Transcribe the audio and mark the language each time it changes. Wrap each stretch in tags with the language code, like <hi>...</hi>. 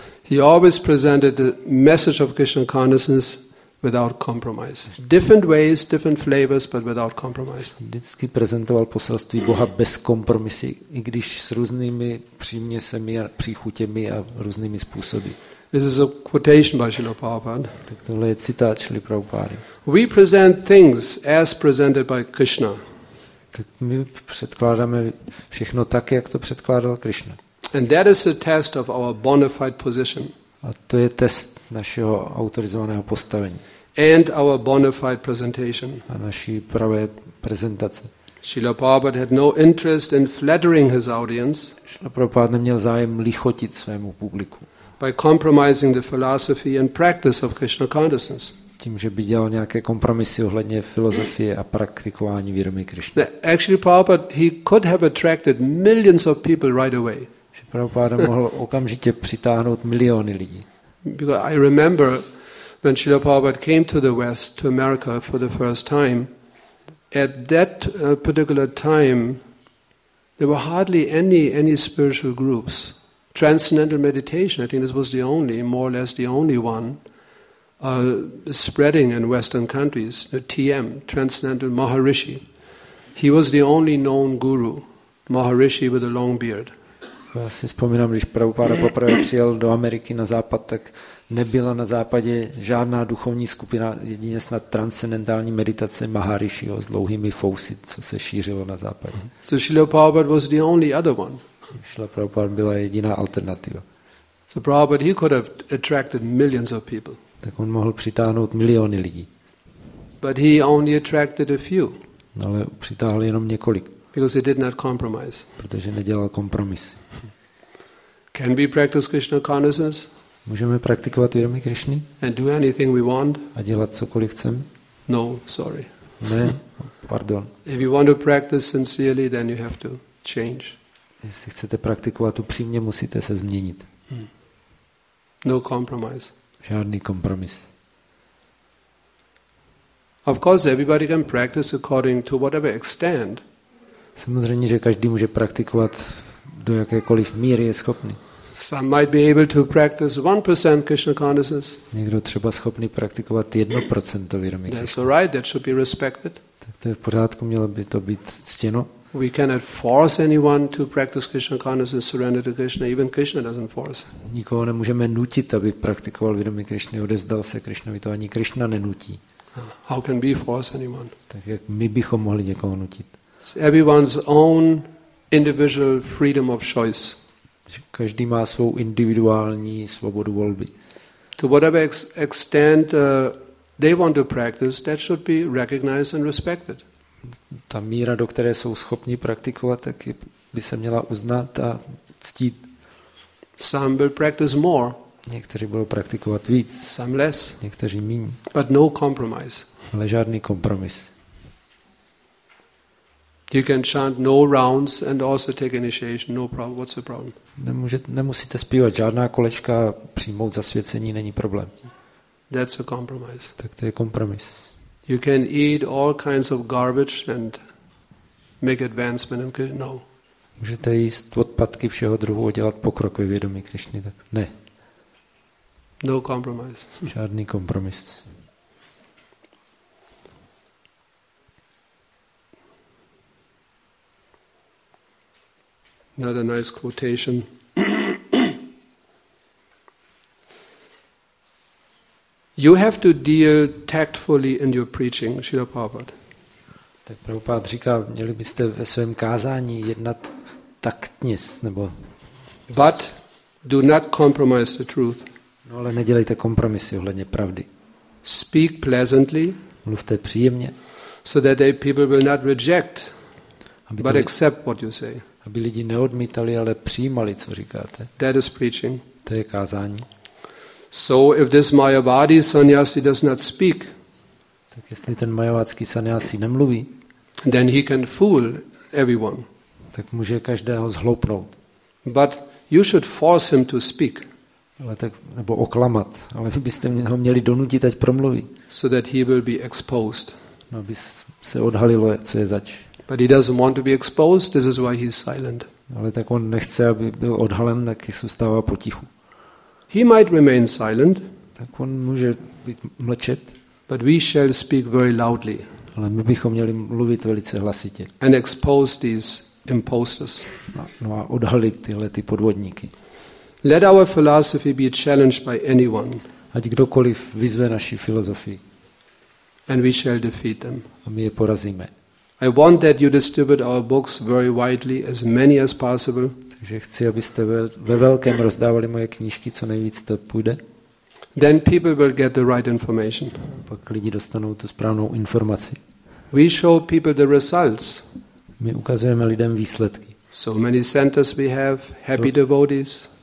<en>He always presented the message of Krishna consciousness without compromise. Different ways, different flavors, but without compromise.</en> <cs>Vždycky prezentoval poselství Boha bez kompromisy, i když s různými příměsemi a příchutěmi a různými způsoby.</cs> <en>This is a quotation by Srila Prabhupada.</en> <cs>Tak tohle je citát Srila Prabhupada.</cs> <en>We present things as presented by Krishna.</en> <cs>Tak my předkládáme všechno tak, jak to předkládal Krishna.</cs> <en>And that is a test of our bona fide position.</en> <cs>A to je test našeho autorizovaného postavení.</cs> <en>And our bona fide presentation.</en> <cs>A naší pravé prezentace.</cs> <en>Srila Prabhupada had no interest in flattering his audience.</en> <cs>Srila Prabhupada neměl zájem lichotit svému publiku.</cs> <en>By compromising the philosophy and practice of Krishna consciousness.</en> <cs>Tím, že by dělal nějaké kompromisy ohledně filozofie a praktikování vědomí Krishna.</cs> <en>No, actually, Prabhupada, he could have attracted millions of people right away.</en> <cs>Prabhupada mohl okamžitě přitáhnout miliony lidí.</cs> <en>Because I remember when Srila Prabhupada came to the West, to America for the first time, at that particular time, there were hardly any spiritual groups. Transcendental meditation, I think this was the only, more or less the only one, spreading in Western countries, the TM, Transcendental Maharishi. He was the only known guru, Maharishi with a long beard.</en> <cs>Já si vzpomínám, když Prabhupada poprvé přijel do Ameriky na západ, tak nebyla na západě žádná duchovní skupina, jedině snad transcendentální meditace Maharishiho s dlouhými fousy, co se šířilo na západě.</cs> <en>So Srila Prabhupada was the only other one.</en> <cs>Srila Prabhupada byla jediná alternativa.</cs> <en>So Prabhupada, he could have attracted millions of people.</en> <cs>Tak on mohl přitáhnout miliony lidí.</cs> <en>But he only attracted a few.</en> <cs>Ale přitáhl jenom několik.</cs> <en>Because he did not compromise.</en> <cs>Protože nedělal kompromis.</cs> <en>Can we practice Krishna consciousness?</en> <cs>Můžeme praktikovat vědomí Krishny?</cs> <en>And do anything we want?</en> <cs>A dělat cokoliv chceme?</cs> <en>No, sorry.</en> <cs>Ne, pardon.</cs> <en>If you want to practice sincerely, then you have to change.</en> <cs>Jestli chcete praktikovat upřímně, musíte se změnit.</cs> <en>No compromise.</en> <cs>Žádný kompromis.</cs> <en>Of course, everybody can practice according to whatever extent.</en> <cs>Samozřejmě, že každý může praktikovat do jakékoliv míry je schopný.</cs> <en>Some might be able to practice 1% Krishna consciousness.</en> <cs>Někdo třeba schopný praktikovat 1% vědomí.</cs> <en>That's all right. That should be respected.</en> <cs>Tak to je v pořádku, mělo by to být ctěno.</cs> <en>We cannot force anyone to practice Krishna consciousness, surrender to Krishna. Even Krishna doesn't force.</en> <cs>Nikoho nemůžeme nutit, aby praktikoval vědomí Krishny, odezdal se Krishnovi, to ani Krishna nenutí.</cs> <en>How can we force anyone?</en> <cs>Tak jak my bychom mohli někoho nutit?</cs> <en>It's everyone's own individual freedom of choice.</en> <cs>Každý má svou individuální svobodu volby.</cs> <en>To whatever extent they want to practice, that should be recognized and respected.</en> <cs>Ta míra, do které jsou schopni praktikovat, tak by se měla uznat a ctít.</cs> <en>Some will practice more.</en> <cs>Někteří budou praktikovat víc.</cs> <en>Some less.</en> <cs>Někteří míň.</cs> <en>But no compromise.</en> <cs>Ale žádný kompromis.</cs> <en>You can chant no rounds and also take initiation, no problem. What's the problem?</en> <cs>Nemusíte zpívat žádná kolečka, přijmout zasvěcení není problém.</cs> <en>That's a compromise.</en> <cs>Tak to je kompromis.</cs> <en>You can eat all kinds of garbage and make advancement in Krishna. No.</en> <cs>Můžete jíst odpadky všeho druhu a dělat pokrok ve vědomí Krishny, tak ne.</cs> <en>No compromise.</en> <cs>Žádný kompromis.</cs> <en>Another nice quotation. You have to deal tactfully in your preaching, Srila Prabhupada.</en> <cs>Tak Prabhupada říká, měli byste ve svém kázání jednat taktně, nebo...</cs> <en>But do not compromise the truth.</en> <cs>No, ale nedělejte kompromisy ohledně pravdy.</cs> <en>Speak pleasantly.</en> <cs>Mluvte příjemně.</cs> <en>So that the people will not reject, but accept what you say.</en> <cs>Aby lidi neodmítali, ale přijímali, co říkáte.</cs> <en>That is preaching.</en> <cs>To je kázání.</cs> <en>So if this Mayavadi sannyasi does not speak,</en> <cs>tak jestli ten mayavadský sannyasi nemluví,</cs> <en>then he can fool everyone.</en> <cs>Tak může každého zhloupnout.</cs> <en>But you should force him to speak.</en> <cs>Ale tak, nebo oklamat, ale vy byste ho měli donutit, ať promluví.</cs> <en>So that he will be exposed.</en> <cs>No, aby se odhalilo, co je zač.</cs> <en>But he doesn't want to be exposed, this is why he's silent.</en> <cs>Ale tak on nechce, aby byl odhalen, tak zůstává potichu.</cs> <en>He might remain silent.</en> <cs>Tak on může být mlčet.</cs> <en>But we shall speak very loudly.</en> <cs>Ale my bychom měli mluvit velice hlasitě.</cs> <en>And expose these imposters.</en> <cs>No a odhalit tyhle ty podvodníky.</cs> <en>Let our philosophy be challenged by anyone.</en> <cs>Ať kdokoliv vyzve naši filozofii.</cs> <en>And we shall defeat them.</en> <cs>A my je porazíme.</cs> <en>I want that you distribute our books very widely, as many as possible.</en> <cs>Takže chci, abyste ve velkém rozdávali moje knížky, co nejvíc to půjde.</cs> <en>Then people will get the right information.</en> <cs>Pak lidi dostanou tu správnou informaci.</cs> <en>We show people the results.</en> <cs>My ukazujeme lidem výsledky.</cs> <en>So many centers we have, happy devotees.</en>